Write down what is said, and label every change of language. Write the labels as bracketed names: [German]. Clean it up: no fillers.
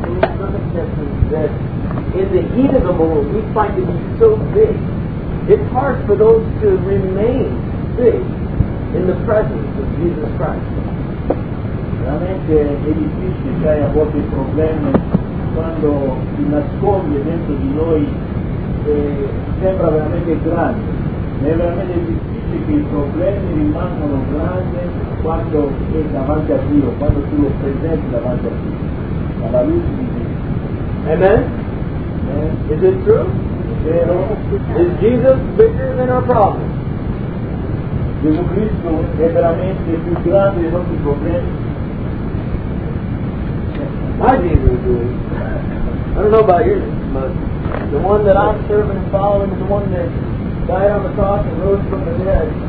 [English] Kind of hard for, you know, the little problems, the little circumstances that in the heat of the moment we find to be so big. It's hard for those to remain big in the presence of Jesus Christ. [Italian] Veramente è difficile, cioè a volte i problemi quando si nasconde dentro di noi sembra veramente grande. È veramente difficile che i problemi rimangano grandi quando sei davanti a Dio, quando tu lo presenti davanti a Dio, alla luce di Dio. Amen? Amen. [English] Is it true? [Italian] Vero? [English] Is Jesus bigger than our problems? [Italian] Gesù Cristo è veramente più grande dei nostri problemi? [English] My Jesus is. I don't know about yours, but the one that I serve and follow is the one that died on the cross and rose from the dead.